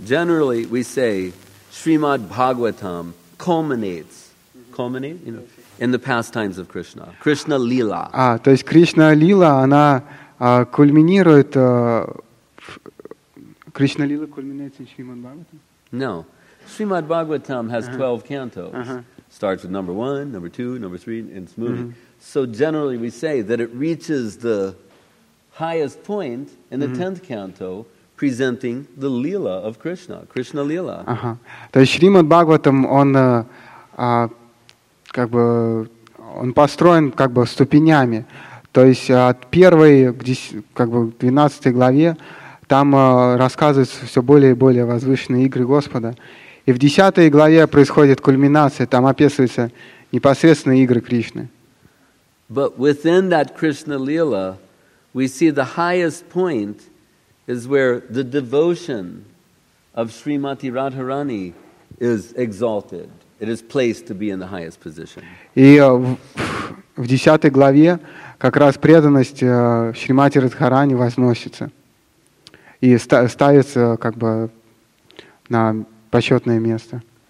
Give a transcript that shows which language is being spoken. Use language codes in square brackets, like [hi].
[en] Generally, we say Srimad Bhagavatam culminates, in the pastimes of Krishna. Krishna Lila. [ru] А, то есть Кришна Лила, она кульминирует... Кришна Лила кульминируется в Шримад Бхагаватам? [en] No. Srimad Bhagavatam has 12 cantos. Starts with number 1, number 2, number 3, and it's moving. So generally we say that it reaches the highest point in the 10th canto, presenting the Lila of Krishna, Krishna Lila. [ru] То есть Шримад Бхагаватам, он как бы он построен как бы ступенями. То есть от первой к 12 главе там рассказывается все более и более возвышенные игры Господа. И в 10 главе происходит кульминация, там описываются непосредственно игры Кришны. [en] But within that Krishna Lila, we see the highest point is where the devotion of Srimati Radharani is exalted. It is placed to be in the highest position. [ru] И в 10 главе как раз преданность Шримати Радхарани возносится и ставится как бы на почетное место.